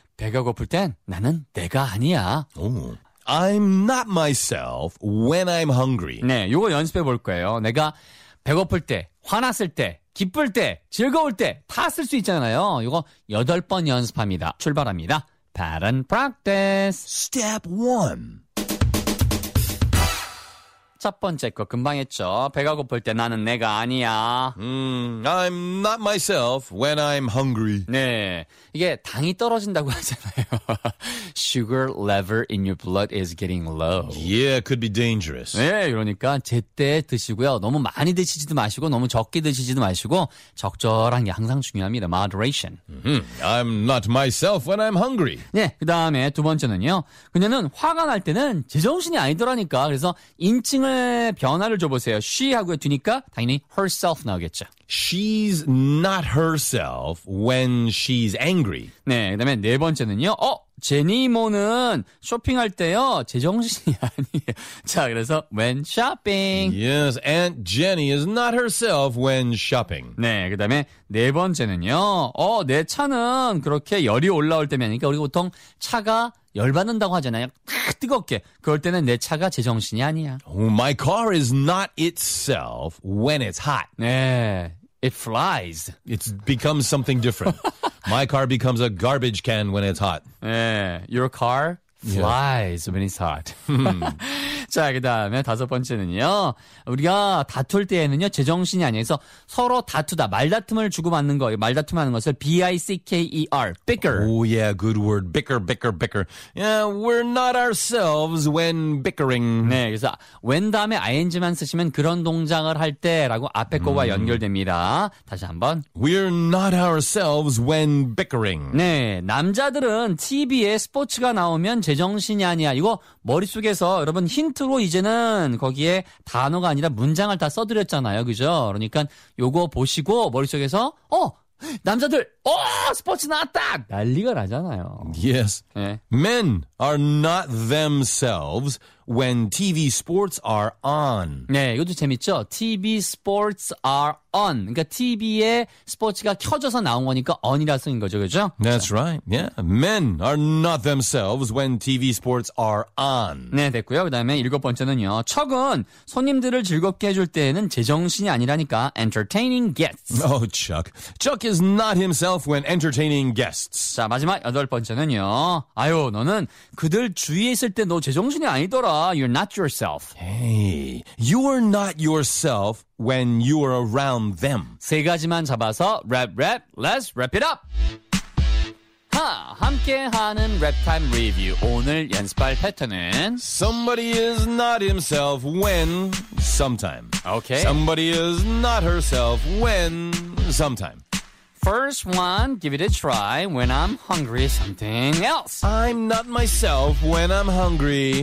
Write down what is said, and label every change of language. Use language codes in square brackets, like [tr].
[ko] 배가 고플 땐 나는 내가 아니야. 오. [en] I'm not myself when I'm hungry. [ko] 네, 요거 연습해 볼 거예요. 내가 배고플 때, 화났을 때, 기쁠 때, 즐거울 때 다 쓸 수 있잖아요. 요거 8번 연습합니다. 출발합니다. [en] Pattern practice. Step 1. [ko] 첫 번째 거 금방 했죠. 배가 고플 때 나는 내가 아니야. [en] I'm not myself when I'm hungry. [ko] 네. 이게 당이 떨어진다고 하잖아요. [en] Sugar level in your blood is getting low. Yeah, could be dangerous. [ko] 네, 그러니까 제때 드시고요. 너무 많이 드시지도 마시고 너무 적게 드시지도 마시고 적절한 게 항상 중요합니다. [en] Moderation. I'm not myself when I'm hungry. [ko] 네, 그 다음에 두 번째는요. 그녀는 화가 날 때는 제정신이 아니더라니까. 그래서 인치 변화를 줘보세요. She 하고 두니까 당연히 herself 나오겠죠. [en] She's not herself when she's angry. [ko] 네, 그 다음에 네 번째는요. 어? 제니모는 쇼핑할 때요. 제정신이 아니에요. 자, 그래서 [en] when shopping. Yes, Aunt Jenny is not herself when shopping. [ko] 네, 그 다음에 네 번째는요. 어? 내 차는 그렇게 열이 올라올 때면 그러니까 우리 보통 차가 열받는다고 하잖아요. 탁 뜨겁게. 그럴 때는 내 차가 제정신이 아니야. [en] Oh, my car is not itself when it's hot. 네. It flies. It becomes something different. My car becomes a garbage can when it's hot. [ko] 네. [en] Your car flies when it's hot. [ko] 자, 그 다음에 다섯 번째는요. 우리가 다툴 때에는요. 제정신이 아니에요. 그래서 서로 다투다. 말다툼을 주고받는 거. 말다툼하는 것을 B-I-C-K-E-R. [en] Bicker. Oh, yeah. Good word. Bicker, bicker, bicker. Yeah, we're not ourselves when bickering. [ko] 네, 그래서 when 다음에 ing만 쓰시면 그런 동작을 할 때라고 앞에 거와 연결됩니다. 다시 한번. [en] We're not ourselves when bickering. [ko] 네, 남자들은 TV에 스포츠가 나오면 제정신이 아니야. 이거 머릿속에서 여러분 힌트로 이제는 거기에 단어가 아니라 문장을 다 써드렸잖아요. 그죠? 그러니까 요거 보시고 머릿속에서 어! 남자들! 어! 스포츠 나왔다! 난리가 나잖아요. [en] Yes. 네. Men are not themselves when TV sports are on. 네. [ko] 이것도 재밌죠? [en] TV sports are on. [ko] 그러니까 TV에 스포츠가 켜져서 나온 거니까 on이라 쓴 거죠. 그죠? [en] That's right. Yeah. Men are not themselves when TV sports are on. [ko] 네. 됐고요. 그 다음에 일곱 번째는요. 척은 손님들을 즐겁게 해줄 때에는 제정신이 아니라니까 [en] entertaining guests. Oh, Chuck. Chuck is not himself when entertaining guests. [ko] 자, 마지막 여덟 번째는요. 아유, 너는 그들 주위에 있을 때 너 제정신이 아니더라. [en] You're not yourself. Hey, you're not yourself when you are around them. [ko] 세 가지만 잡아서 랩 랩 [en] Let's wrap it up. [ko] 하, 함께하는 랩타임 리뷰. 오늘 연습할 패턴은 [en] Somebody is not himself when sometime. Okay. Somebody is not herself when sometime. First one, give it a try. When I'm hungry, something else. I'm not myself when I'm hungry.